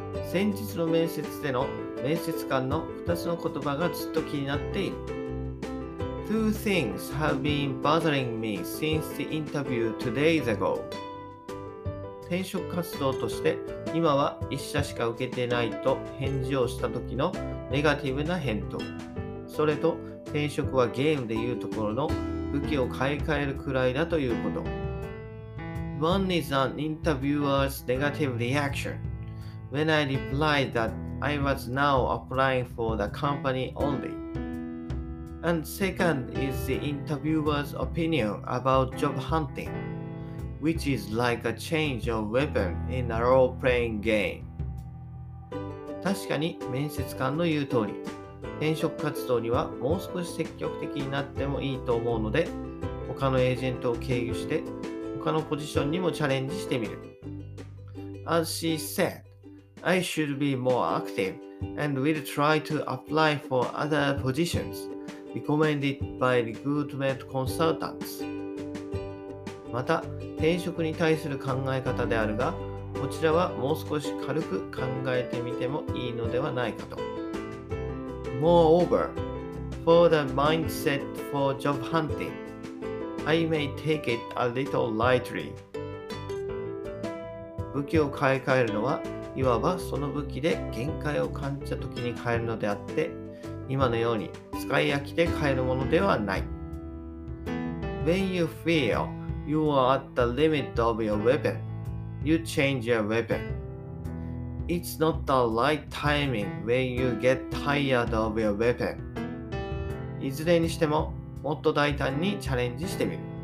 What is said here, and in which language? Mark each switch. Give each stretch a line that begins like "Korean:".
Japanese: 先日の面接での面接官の2つの言葉がずっと気になっている。
English: Two things have been bothering me since the interview 2 days ago.
Japanese: 転職活動として今は1社しか受けてないと返事をした時のネガティブな返答、それと転職はゲームでいうところの武器を買い替えるくらいだということ。
English: One is an interviewer's negative reaction when I replied that I was now applying for the company only. And second is the interviewer's opinion about job hunting, which is like a change of weapon in a role-playing game.
Japanese: 確かに面接官の言う通り、転職活動にはもう少し積極的になってもいいと思うので、他のエージェントを経由して他のポジションにもチャレンジしてみる。
English: As she said, I should be more active and will try to apply for other positions recommended by recruitment consultants.
Japanese: また転職に対する考え方であるが、こちらはもう少し軽く考えてみてもいいのではないかと。
English: Moreover, for the mindset for job hunting, I may take it a little lightly.
Japanese: 武器を買い替えるのは、いわばその武器で限界を感じた時に買えるのであって、今のように使い飽きて買えるものではない。
English: When you feel you are at the limit of your weapon, you change your weapon. It's not the right timing when you get tired of your weapon.
Japanese: いずれにしても、もっと大胆にチャレンジしてみる。